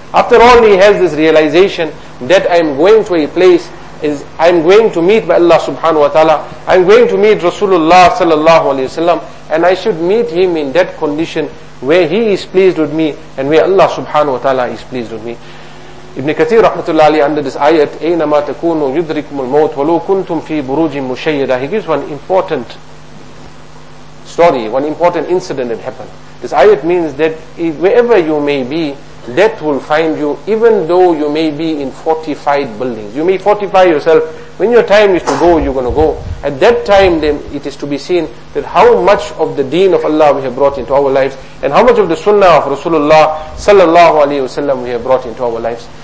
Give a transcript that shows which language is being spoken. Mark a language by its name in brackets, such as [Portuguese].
[English] After all, he has this realization that I am going to a place, I am going to meet by Allah subhanahu wa ta'ala. I am going to meet Rasulullah sallallahu alayhi wa sallam. And I should meet him in that condition where he is pleased with me and where Allah subhanahu wa ta'ala is pleased with me. Ibn Kathir rahmatullahi alayhi, under this ayat, [Arabic] أَيْنَمَا تَكُونُوا يُدْرِكُمُ الْمَوْتُ وَلُوْ كُنْتُمْ فِي بُرُوجٍ مُشَيِّدًا. [English] He gives one important story, one important incident that happened. This ayat means that wherever you may be, death will find you, even though you may be in fortified buildings. You may fortify yourself. When your time is to go, you're going to go. At that time, then it is to be seen that how much of the deen of Allah we have brought into our lives, and how much of the sunnah of Rasulullah sallallahu alayhi wa sallam we have brought into our lives.